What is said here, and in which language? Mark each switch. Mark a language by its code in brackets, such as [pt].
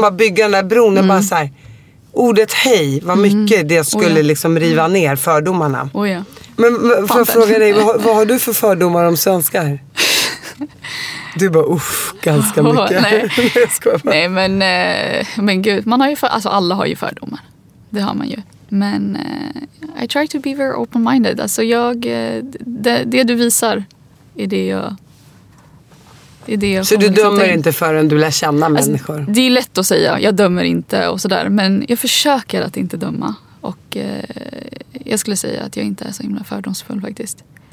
[sv] Bara bygga den där bron och bara så här, ordet hej, vad mycket det skulle liksom riva ner fördomarna. Men får jag fråga dig, vad har du för fördomar om svenskar? Du bara, uff, ganska mycket. Nej, men gud, man har ju för, alltså alla har ju fördomar. Det har man ju. [en] Men I try to be very open-minded. [sv] Alltså jag, det du visar är det jag... Så du dömer inte förrän du lär känna människor? Det är lätt att säga, jag dömer inte och sådär. Men jag försöker att inte döma. Och jag skulle säga att jag inte är så himla fördomsfull faktiskt.